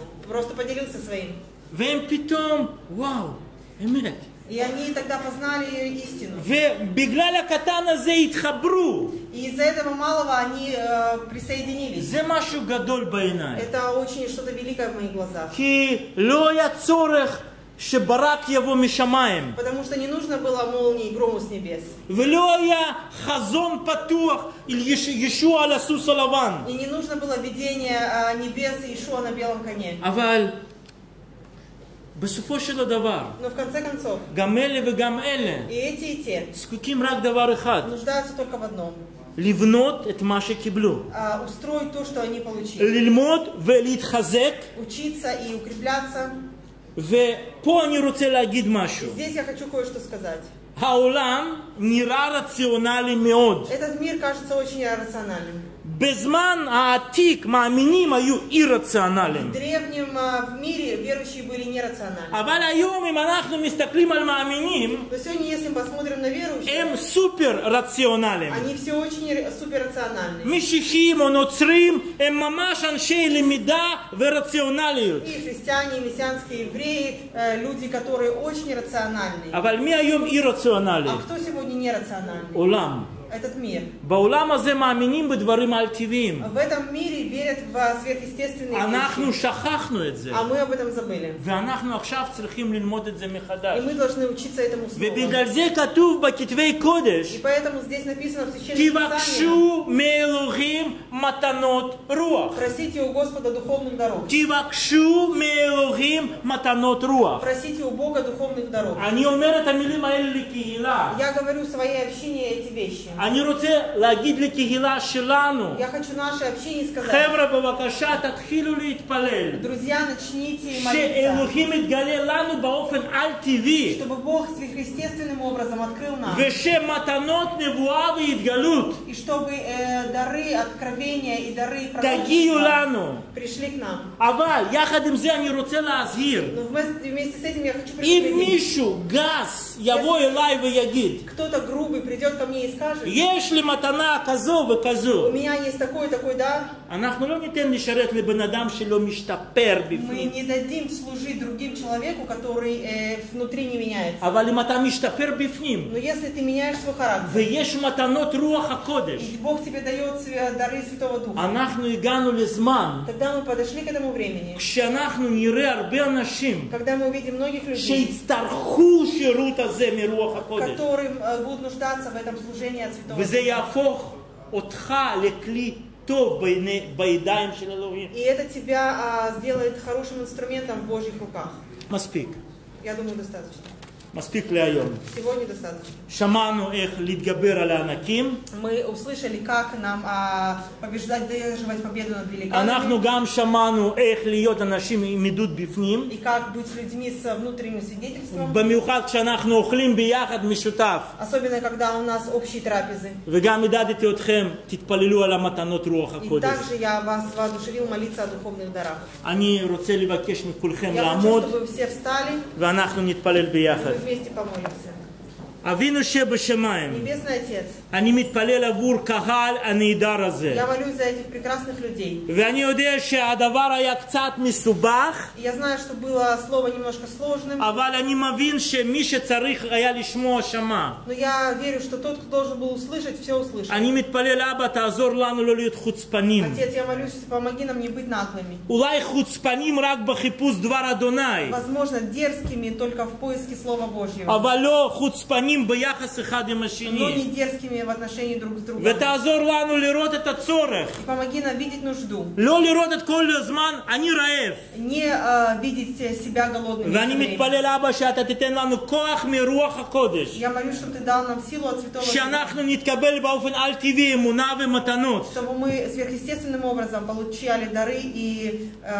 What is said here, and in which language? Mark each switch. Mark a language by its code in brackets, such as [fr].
[ru] Просто поделился своим. [he] והם פתאום, וואו, אמת. [ru] И они тогда познали истину. [he] ובגלל הקטן הזה התחברו. [ru] И из-за этого малого они присоединились. [he] זה משהו גדול בעיניי. [ru] Это очень что-то великое в моих глазах. [he] כי לא היה צורך שברק יבוא משמיים. [ru] Потому что не нужно было молнии и грому с небес. [he] ולא היה חזון פתוח ישוע על הסוס הלבן. [ru] И не нужно было видение небес и Ишуа на белом коне. [he] אבל בסופו של הדבר. [ru] Но в конце концов. [he] גם אלה וגם אלה. [ru] И эти и те. [he] זקוקים רק דבר אחד. [ru] Нуждаются только в одном. [he] לבנות את מה שקיבלו. [ru] Устроить то, что они получили. [he] ללמוד ולהתחזק. [ru] Учиться и укрепляться. [he] ופה אני רוצה להגיד משהו. [ru] Здесь я хочу кое-что сказать. [he] העולם נראה רציונלי מאוד. [ru] Этот мир кажется очень рациональным. [he] בזמן העתיק מאמינים היו אי-רציונליים. [ru] В древнем мире верующие были нерациональны. [he] אבל היום אם אנחנו מסתכלים על מאמינים, [ru] то сегодня если мы посмотрим на верующих, [he] הם סופר-רציונליים. [ru] Они все очень суперрациональны. [he] משיחים או נוצרים הם ממש אנשי למידה ורציונליות. [ru] И христиане, мессианские евреи, люди, которые очень рациональны. [he] אבל מי היום אי-רציונלי? [ru] А кто сегодня нерациональный? [he] עולם. [ru] Этот мир. [he] בעולם הזה מאמינים בדברים אל-טבעיים. [ru] В этом мире верят в сверхъестественные вещи. [he] אנחנו שכחנו את זה. [ru] А мы об этом забыли. [he] ואנחנו עכשיו צריכים ללמוד את זה מחדש. [ru] И мы должны учиться этому снова. [he] ובגלל זה כתוב בכתבי קודש. [ru] И поэтому здесь написано в священном писании. [he] תבקשו מאלוהים מתנות רוח. [ru] Просите у Господа духовных даров. [he] תבקשו מאלוהים מתנות רוח. [ru] Просите у Бога духовных даров. [he] אני אומר את המילים האלה לקהילה. [ru] Я говорю своей общине эти вещи. [he] אני רוצה להגיד לקהילה שלנו. [ru] Я хочу нашей общине сказать. [he] חבר'ה, בבקשה, תתחילו להתפלל. [ru] Друзья, начните молиться. [he] שאלוהים יתגלה לנו באופן על-טבעי. [ru] Чтобы Бог сверхъестественным образом открыл нам. [he] ושמתנות נבואה ויתגלות. [ru] И чтобы дары откровения и дары пророчества. [he] תגיעו לנו. [ru] Пришли к нам. [he] אבל יחד עם זה אני רוצה להזהיר. [ru] Но вместе с этим я хочу предупредить. И Мишу, газ, яво Илай ויגיד. Кто-то грубый придет ко мне и скажет. Есть ли матана козу в козу? У меня есть такой такой да. [he] אנחנו לא ניתן לשרת לבן אדם שלא משתפר בפנים. [ru] Мы не дадим служить другим человеку, который внутри не меняется. [he] אבל אם אתה משתפר בפנים. [ru] Но если ты меняешь свой характер. [he] ויש מתנות רוח הקודש. [ru] И Бог тебе дает дары Святого Духа. [he] אנחנו הגענו לזמן. [ru] Тогда мы подошли к этому времени. [he] כשאנחנו נראה הרבה אנשים. [ru] Когда мы увидим многих людей. [he] שיצטרכו שירות הזה מרוח הקודש. [ru] Которым будут нуждаться в этом служении от Святого. [he] וזה יהפוך אותך לכלי. בידיים של אלוהים. [ru] И это тебя сделает хорошим инструментом в Божьих руках. [he] מספיק. [ru] Я думаю, достаточно. [he] מספיק להיום. [ru] Сегодня достаточно. [he] שמענו איך להתגבר על הענקים. [ru] Мы услышали, как нам побеждать, одерживать победу над великанами. [he] אנחנו גם שמענו איך להיות אנשים עם עדות בפנים. [ru] И как быть людьми с внутренним свидетельством. [he] במיוחד כשאנחנו אוכלים ביחד משותף. [ru] Особенно когда у нас общие трапезы. [he] וגם ידעתי אתכם, תתפללו על המתנות רוח הקודש. [ru] И также я вас воодушевил молиться о духовных дарах. [he] אני רוצה לבקש מכולכם [ru] я [he] לעמוד. [ru] Я хочу, чтобы все встали. [he] ואנחנו נתפלל ביחד. [ru] И мы вместе помолимся. [he] אבינו שבשמיים. [ru] Небесный отец. [he] אני מתפלל עבור קהל הנהדר הזה. [ru] Я молюсь за этих прекрасных людей. [he] ואני יודע שהדבר היה קצת מסובך. [ru] Я знаю, что было слово немножко сложным. [he] אבל אני מבין שמי שצריך היה לשמוע שמע. [ru] Но я верю, что тот, кто должен был услышать, все услышал. [he] אני מתפלל, אבא, תעזור לנו לא להיות חוצפנים. [ru] Отец, я молюсь, помоги нам не быть наглыми. [he] אולי חוצפנים רק בחיפוש דבר אדוני. [ru] Возможно, дерзкими только в поиске слова Божьего. [he] אבל לא חוצפנים. ביחס אחד עם השני. [ru] Но не дерзкими в отношении друг с другом. [he] ותעזור לנו לראות את הצורך. [ru] И помоги нам видеть нужду. [he] לא לראות את כל הזמן אני רעב. [ru] Не видеть себя голодным. [he] ואני מתפלל, אבא, שאתה תיתן לנו כוח מרוח הקודש. [ru] Я молюсь, чтобы ты дал нам силу от Святого Духа. [he] שאנחנו נתקבל באופן על-טבעי אמונה ומתנות. [ru] Чтобы мы сверхъестественным образом получали дары и